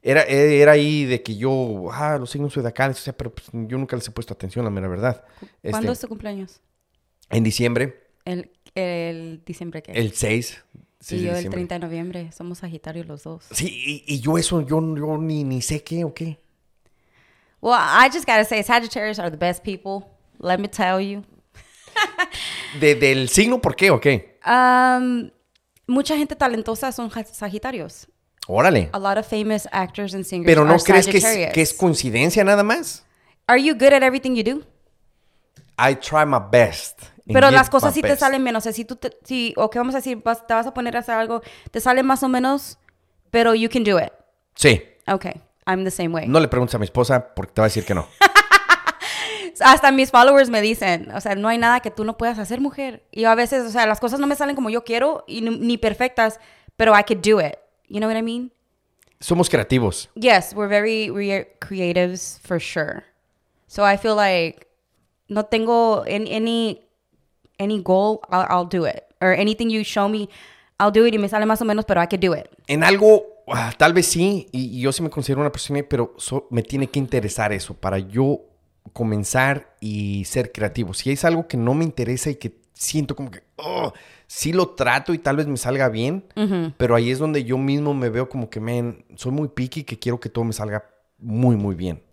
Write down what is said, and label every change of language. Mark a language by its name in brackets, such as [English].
[Spanish] Era ahí de que yo, los signos zodiacales, o sea, pero pues, yo nunca les he puesto atención, la mera verdad. ¿Cuándo es tu cumpleaños? En diciembre. ¿El diciembre qué? El 6. Sí, yo el 30 de noviembre, somos Sagitario los dos. Sí, y yo eso, yo ni sé qué o qué. [English] Well, I just gotta say, Sagittarius are the best people, let me tell you. [Spanish] ¿Del signo por qué o qué? Mucha gente talentosa son Sagitarios. Órale. [English] A lot of famous actors and singers. [Spanish] ¿Pero no crees que es coincidencia nada más? [English] Are you good at everything you do? I try my best. [Spanish] Pero las cosas sí te salen menos. O sea, si vamos a decir, te vas a poner a hacer algo, te sale más o menos, pero [English] you can do it. [Spanish] Sí. [English] Okay, I'm the same way. [Spanish] No le preguntes a mi esposa porque te va a decir que no. Hasta mis followers me dicen, o sea, no hay nada que tú no puedas hacer, mujer. Y a veces, o sea, las cosas no me salen como yo quiero y ni perfectas, pero [English] I could do it. You know what I mean? [Spanish] Somos creativos. [English] Yes, we're very creatives for sure. So I feel like [Spanish] no tengo [English] any goal, I'll do it. Or anything you show me, I'll do it. [Spanish] Y me sale más o menos, pero [English] I could do it. [Spanish] En algo, tal vez sí. Y yo sí me considero una persona, pero me tiene que interesar eso para yo comenzar y ser creativo. Si es algo que no me interesa y que siento como que, oh, sí lo trato y tal vez me salga bien, pero ahí es donde yo mismo me veo como que, man, soy muy picky y que quiero que todo me salga muy, muy bien.